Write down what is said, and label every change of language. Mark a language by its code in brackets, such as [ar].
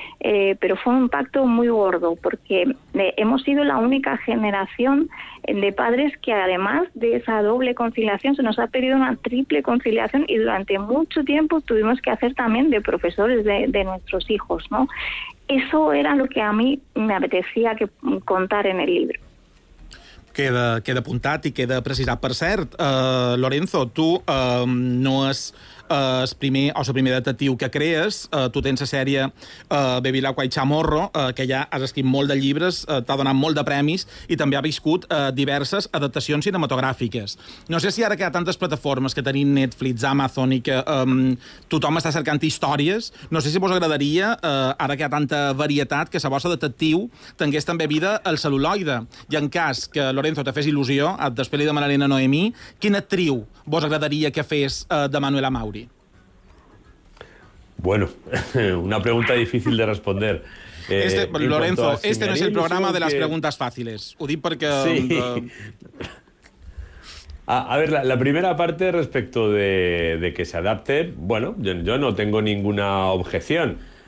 [es] Pero fue un impacto muy gordo, porque hemos sido la única generación de padres que, además de esa doble conciliación, se nos ha pedido una triple conciliación, y durante mucho tiempo tuvimos que hacer también de profesores de nuestros hijos, ¿no? Eso era lo que a mí me apetecía que contar en el libro. [ca] Queda apuntat i queda precisat. Per cert, Lorenzo, tu no és el primer o la primera detectiu que crees. Tu tens la sèrie Baby Laqua y Chamorro, que ja has escrit molt de llibres, t'ha donat molt de premis, i també ha viscut diverses adaptacions cinematogràfiques. No sé si ara que hi ha tantes plataformes, que tenim Netflix, Amazon, i que tothom està cercant històries, no sé si vos agradaria, ara que hi ha tanta varietat, que la vostra detectiu tingués també vida al cel·luloide. I en cas que Lorenzo te fes il·lusió, després li demanaré a Noemí, quina actriu vos agradaria que fes de Manuela Mauri? [es] Bueno, una pregunta difícil de responder. Lorenzo, este no es el programa de las preguntas fáciles. [ca] Ho dic perquè... [es] Sí. A ver, la primera parte respecto de que se adapte, bueno, yo no tengo ninguna objeción.